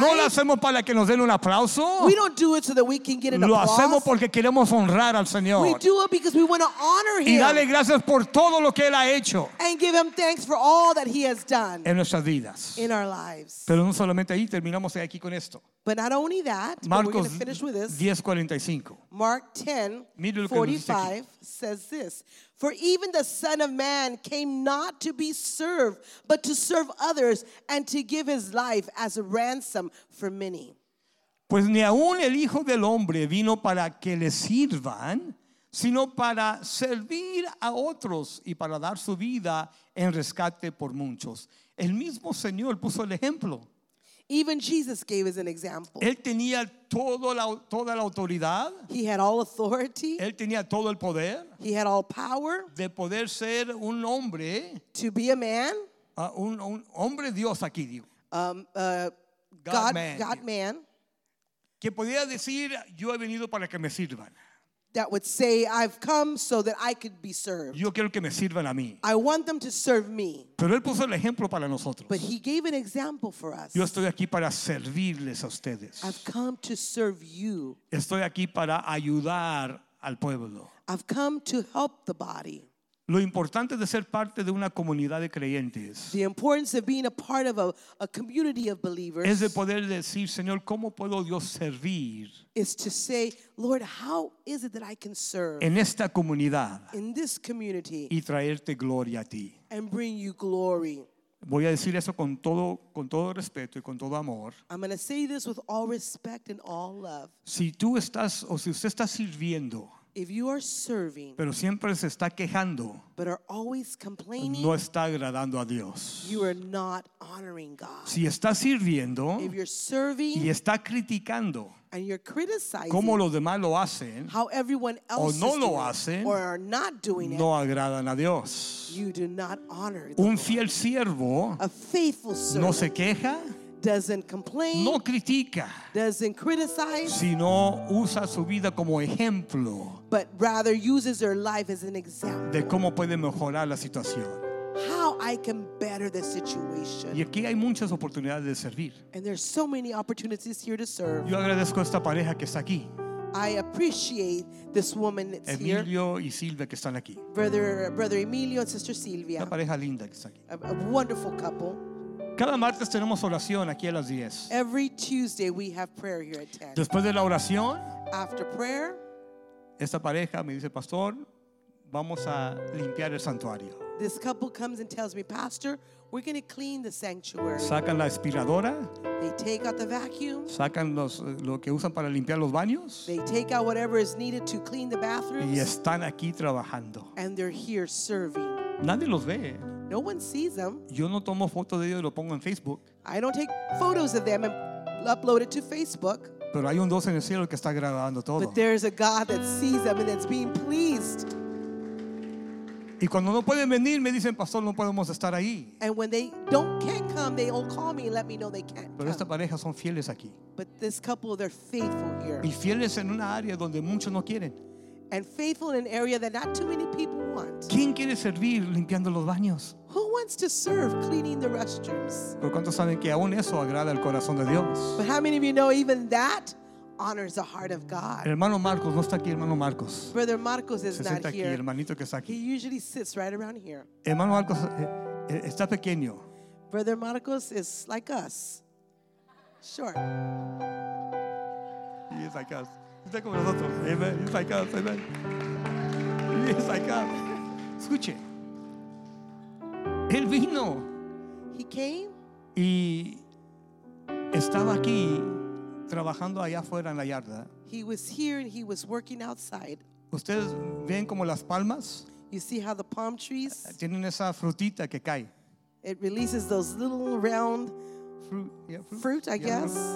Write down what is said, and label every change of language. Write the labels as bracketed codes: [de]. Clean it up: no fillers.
[es] No lo hacemos para que nos den un aplauso. [en] We don't do it so that we can get an [es] lo [en] applause. [es] Hacemos porque queremos honrar al Señor. [en] We do it because we want to honor him. [es] Y darle gracias por todo lo que él ha hecho. [en] And give him thanks for all that he has done [es] en nuestras vidas. [en] In our lives. [es] Pero no solamente ahí, terminamos aquí con esto. [en] But not only that, [es] Marcos, [en] but we're going to finish with this. [es] 10:45. [en] Mark 10:45 says this. For even the Son of Man came not to be served, but to serve others and to give his life as a ransom for many. [es] Pues ni aun el Hijo del Hombre vino para que le sirvan, sino para servir a otros y para dar su vida en rescate por muchos. El mismo Señor puso el ejemplo. [en] Even Jesus gave us an example. [es] Él tenía toda la autoridad. [en] He had all authority. [es] Él tenía todo el poder. [en] He had all power. [es] De poder ser un hombre. [en] To be a man. [es] Un hombre Dios aquí, digo. [en] God man. [es] Que podía decir, yo he venido para que me sirvan. [en] That would say, I've come so that I could be served. [es] Yo quiero que me sirvan a mí. [en] I want them to serve me. [es] Pero él puso el ejemplo para nosotros. [en] But he gave an example for us. [es] Yo estoy aquí para servirles a ustedes. [en] I've come to serve you. [es] Estoy aquí para ayudar al pueblo. [en] I've come to help the body. [es] Lo importante de ser parte de una comunidad de creyentes. [en] The importance of being a part of a community of believers. [es] Es de poder decir, Señor, ¿cómo puedo yo servir? [en] Is to say, Lord, how is it that I can serve? [es] En esta comunidad. [en] In this community. [es] Y traerte gloria a ti. [en] And bring you glory. [es] Voy a decir eso con todo respeto y con todo amor. [en] I'm going to say this with all respect and all love. [es] Si tú estás o si usted está sirviendo. [en] If you are serving, [es] pero siempre se está quejando, [en] but are always complaining, [es] no está agradando a Dios. [en] You are not honoring God. [es] Si está sirviendo, [en] if you're serving, [es] y está criticando, [en] and you're criticizing, [es] como los demás lo hacen, [en] how everyone else [es] o no [en] is [es] lo [en] doing, [es] hacen, [en] or are not doing [es] no [en] it, [es] no agradan a Dios. [en] You do not honor the [es] un fiel siervo, [en] a faithful servant, [es] no se queja. [en] Doesn't complain. [es] No critica. [en] Doesn't criticize. [es] Sino usa su vida como ejemplo. [en] But rather uses her life as an example. [es] De cómo puede mejorar la situación. [en] How I can better the situation. [es] Y aquí hay muchas oportunidades de servir. [en] And there's so many opportunities here to serve. [es] Yo agradezco a esta pareja que está aquí. [en] I appreciate this woman that's [es] Emilio [en] here. [es] Emilio y Silvia que están aquí. [en] Brother Emilio and Sister Silvia. [es] Una pareja linda que está aquí. [en] A wonderful couple. [es] Cada martes tenemos oración aquí a las 10. [en] Every Tuesday we have prayer here at 10. [es] Después de la oración, [en] after prayer, [es] esta pareja me dice, "Pastor, vamos a limpiar el santuario." [en] This couple comes and tells me, "Pastor, we're going to clean the sanctuary." [es] Sacan la aspiradora. [en] They take out the vacuum. [es] Sacan lo que usan para limpiar los baños. [en] They take out whatever is needed to clean the bathrooms. [es] Y están aquí trabajando. [en] And they're here serving. [es] Nadie los ve. [en] No one sees them. [es] Yo no tomo foto de ellos y lo pongo en Facebook. [en] I don't take photos of them and upload it to Facebook. [es] Pero hay un Dios en el cielo que está grabando todo. [en] But there's a God that sees them and that's being pleased. [es] Y cuando no pueden venir, me dicen, pastor, no podemos estar ahí. [en] And when they don't can't come, they all call me and let me know they can't. [es] Pero esta pareja son fieles aquí. [en] But this couple, they're faithful here. [es] Y fieles en una área donde muchos no quieren. [en] And faithful in an area that not too many people want. [es] ¿Quién quiere servir limpiando los baños? [en] Who wants to serve cleaning the restrooms? [es] ¿Por cuánto saben que aún eso agrada el corazón de Dios? [en] But how many of you know even that honors the heart of God? [es] Hermano Marcos no está aquí, hermano Marcos. [en] Brother Marcos is not [es] aquí, [en] here. [es] Hermanito que está aquí. [en] He usually sits right around here. [es] Hermano Marcos está pequeño. [en] Brother Marcos is like us. Short. He is like us. [es] Está como nosotros. Amen. Está acá, amen. Está acá. Escuche. Él vino. [en] He came. [es] Y estaba aquí trabajando allá afuera en la yarda. [en] He was here and he was working outside. [es] ¿Ustedes ven como las palmas? [en] You see how the palm trees? [es] Tienen esa frutita que cae. [en] It releases those little round fruit, fruit, I guess.